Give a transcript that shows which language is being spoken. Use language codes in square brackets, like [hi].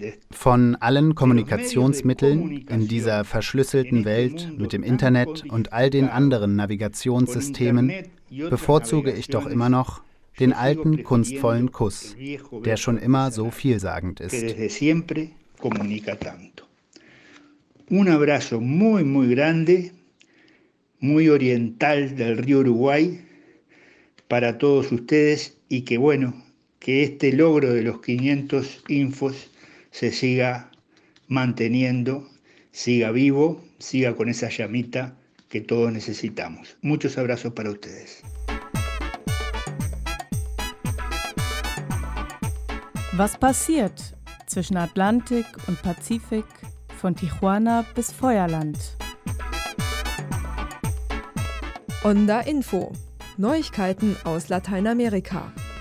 [de] Von allen Kommunikationsmitteln in dieser verschlüsselten Welt mit dem Internet und all den anderen Navigationssystemen bevorzuge ich doch immer noch den alten, kunstvollen Kuss, der schon immer so vielsagend ist. [es] Un abrazo muy, muy grande. Muy oriental del río Uruguay para todos ustedes y que bueno, que este logro de los 500 infos se siga manteniendo, siga vivo, siga con esa llamita que todos necesitamos. Muchos abrazos para ustedes. [de] Was passiert zwischen Atlantik und Pazifik von Tijuana bis Feuerland? Onda Info. Neuigkeiten aus Lateinamerika.